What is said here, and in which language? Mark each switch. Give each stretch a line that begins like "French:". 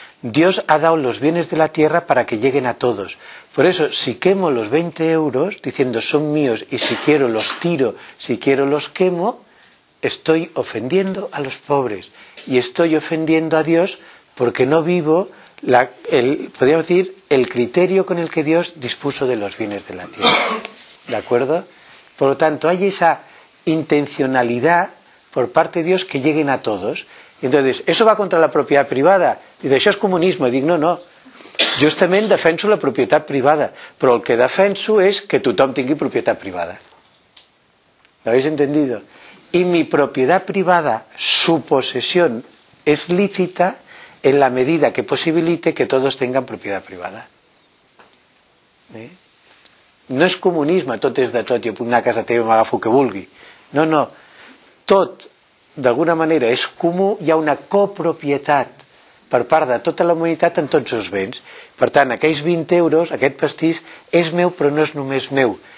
Spanish: Dios ha dado los bienes de la tierra para que lleguen a todos. Por eso, si quemo los 20 euros, diciendo son míos y si quiero los tiro, si quiero los quemo, estoy ofendiendo a los pobres y estoy ofendiendo a Dios porque no vivo, podríamos decir, el criterio con el que Dios dispuso de los bienes de la tierra. ¿De acuerdo? Por lo tanto, hay esa intencionalidad por parte de Dios que lleguen a todos. Entonces, ¿eso va contra la propiedad privada? Dice, ¿eso es comunismo? Y digo, no, no.
Catalan: Justament defenso la propietat privada, però el que defenso és que tothom tingui propietat privada.
Spanish: ¿Lo habéis entendido? Y mi propiedad privada, su posesión, es lícita en la medida que posibilite que todos tengan propiedad privada. No es comunismo,
Catalan: tot és de tot, jo puc anar a casa teva i m'agafo que vulgui. No, no. Tot, d'alguna manera, és comú, hi ha una copropietat per part de tota la humanitat en tots els béns. Per tant, aquells 20 euros, aquest pastís, és meu però no és només meu.